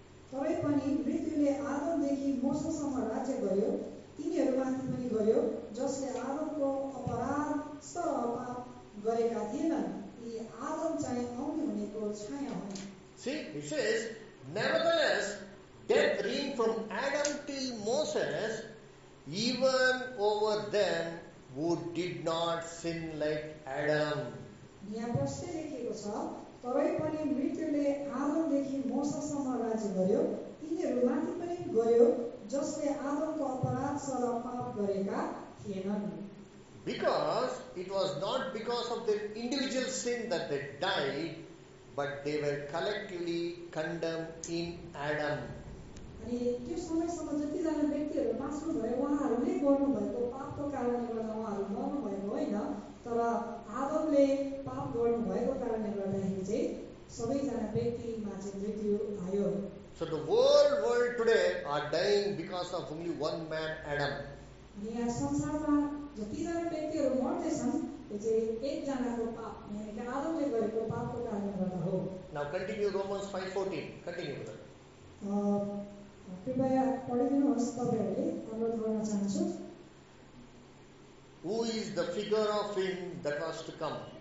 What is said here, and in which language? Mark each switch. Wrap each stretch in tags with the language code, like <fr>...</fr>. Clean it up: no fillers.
<ne>तरै पनि मृत्युले आदमदेखि मसोसम्म राज्य गर्यो तिनीहरूमाथि पनि गर्यो जसले आदमको अपराध पाप गरेका थिएनन् यी आदम चाहिँ आउने हुनेको छाया हुन्</ne> <en>See, he says, nevertheless, death reigned from Adam till Moses, even over them who did not sin like Adam.</en> <ne>यहाँ पछि लेखिएको छ तरै पनि मृत्युले आदमदेखि मोससम्म राज्य गर्यो तिनीहरू माथि पनि गर्यो जसले आदमको अपराध सर पाप गरेका थिएनन्</ne> <en>Because it was not because of their individual sin that they died, but they were collectively condemned in Adam.</en> <ne>अनि त्यो समयसम्म जतिजना व्यक्तिहरू बाँच्नु भयो उहाँहरूले गर्नुभएको पापको कारणले गर्दा उहाँहरू मर्नुभएको होइन तर आदमले पाप गर्नुभएको कारणले गर्दाखेरि चाहिँ सबैजना व्यक्तिमा चाहिँ मृत्यु आयो</ne> <en>So the whole world today are dying because of only one man, Adam.</en> <ne>यहाँ संसारमा जतिजना व्यक्तिहरू मर्दैछन्</ne> <en>Now continue Romans 5:14. Continue with Who is the figure of him that was to come?</en>